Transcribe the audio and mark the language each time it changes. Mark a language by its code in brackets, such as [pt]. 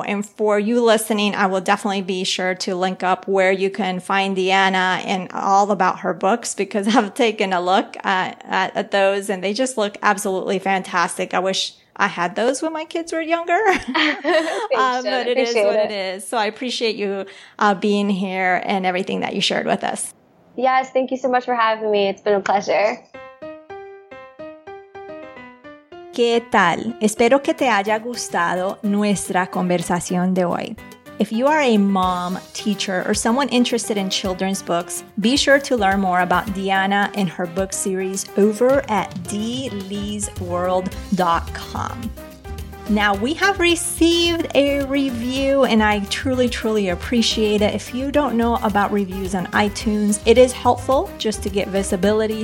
[en] And for you listening, I will definitely be sure to link up where you can find Deanna and all about her books, because I've taken a look at those and they just look absolutely fantastic. I wish I had those when my kids were younger. But it is what it is. So I appreciate you being here and everything that you shared with us. Yes, thank you so much for having me. It's been a pleasure. [es] ¿Qué tal? Espero que te haya gustado nuestra conversación de hoy. [en] If you are a mom, teacher, or someone interested in children's books, be sure to learn more about Deanna and her book series over at dleesworld.com. Now, we have received a review, and I truly, truly appreciate it. If you don't know about reviews on iTunes, it is helpful just to get visibility.